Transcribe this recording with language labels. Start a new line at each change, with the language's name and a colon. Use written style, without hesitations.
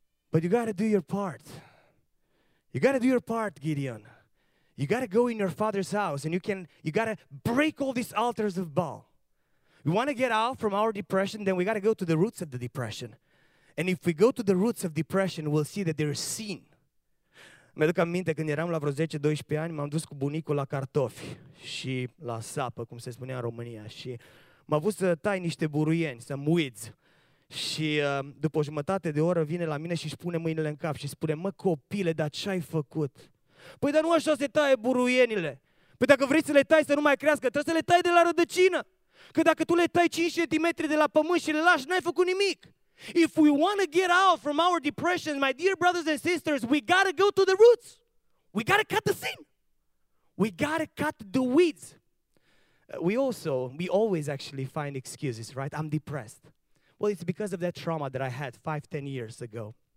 English: But you got to do your part. You got to do your part, Gideon. You got to go in your father's house and you got to break all these altars of Baal. We want to get out from our depression, then we got to go to the roots of the depression. And if we go to the roots of depression, we'll see that there is sin.
Romanian: Mi-aduc aminte când eram la vreo 10-12 ani, m-am dus cu bunicul la cartofi și la sapă, cum se spunea în România, și m-a pus să tai niște buruieni, să muiți. Și după o jumătate de oră vine la mine și își pune mâinile în cap și spune: mă copile, dar ce ai făcut? Păi dar nu așa se taie buruienile. Păi dacă vrei să le tai să nu mai crească, trebuie să le tai de la rădăcină. Că dacă tu le tai 5 cm de la pământ și le lași, n-ai făcut nimic.
English: If we want to get out from our depression, my dear brothers and sisters, we got to go to the roots. We got to cut the sin. We got to cut the weeds. We always actually find excuses, right? I'm depressed. Well, it's because of that trauma that I had 5-10 years ago.